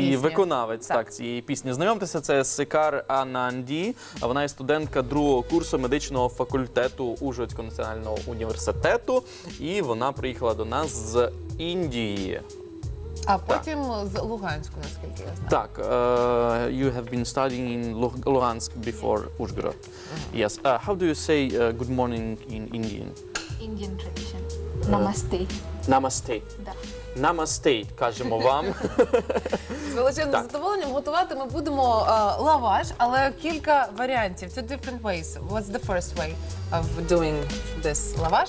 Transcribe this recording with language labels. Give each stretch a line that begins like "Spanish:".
Ukrainian: І виконавець так цієї пісні. Знайомтеся, це Сикар Ананді, вона є студентка другого курсу медичного факультету Ужгородського національного університету, і вона приїхала до нас з Індії. А потім з Луганську, наскільки я знаю.
English: Так, you have been studying in Luhansk before Ужгород. Yes. How do you say good morning in Indian? Indian tradition. Namaste.
Hindi: Namaste. Да.
Ukrainian: Namaste, кажемо вам. З величезним задоволенням готувати ми будемо лаваш, але кілька варіантів.
English: Two different ways. What's the first way of doing this лаваш?